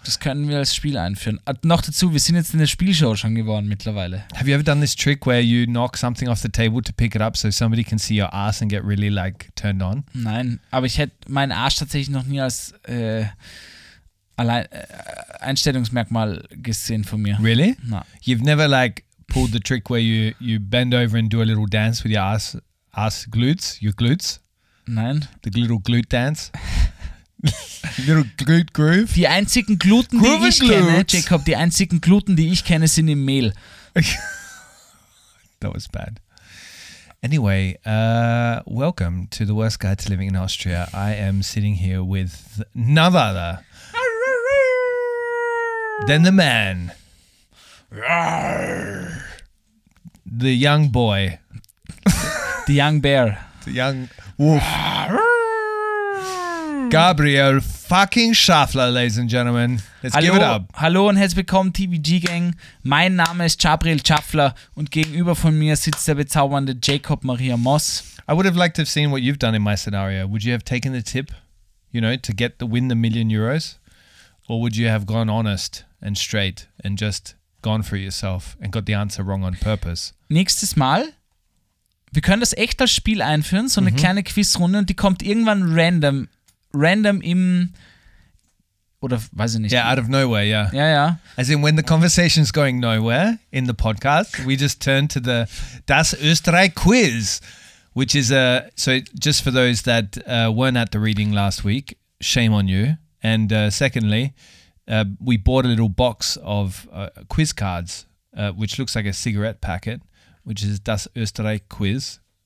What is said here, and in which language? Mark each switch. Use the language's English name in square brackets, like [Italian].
[German] Das können wir als Spiel einführen. Noch dazu, wir sind jetzt in der Spielshow schon geworden mittlerweile. [English] Have you ever done this trick where you knock something off the table to pick it up, so somebody can see your ass and get really like turned on? [German] Nein, aber ich hätte meinen Arsch tatsächlich noch nie als Einstellungsmerkmal gesehen von mir. [English] Really? No. You've never like pulled the trick where you bend over and do a little dance with your ass glutes, your glutes? [German] Nein. [English] The little glute dance? Little glute groove? [German] Die einzigen Gluten, Grooving die ich glutes. Kenne, Jacob, die einzigen Gluten, die ich kenne, sind im Mehl. [English] That was bad. Anyway, welcome to The Worst Guide to Living in Austria. I am sitting here with none other than the man. The young boy. The young bear. The young wolf. Gabriel fucking Schaffler, ladies and gentlemen. Let's give it up. [German] Hallo und herzlich willkommen, TVG-Gang. Mein Name ist Gabriel Schaffler und gegenüber von mir sitzt der bezaubernde Jacob Maria Moss. [English] I would have liked to have seen what you've done in my scenario. Would you have taken the tip, you know, to get the win the million euros? Or would you have gone honest and straight and just gone for yourself and got the answer wrong on purpose? [German] Nächstes Mal, wir können das echt als Spiel einführen, so eine kleine Quizrunde und die kommt irgendwann random im, oder weiß ich nicht. [English] Yeah, out of nowhere, yeah. [German] Ja, ja. [English] As in when the conversation's going nowhere in the podcast, we just turn to the Das Österreich Quiz, which is a, so just for those that weren't at the reading last week, shame on you. And secondly, we bought a little box of quiz cards, which looks like a cigarette packet, which is Das Österreich Quiz.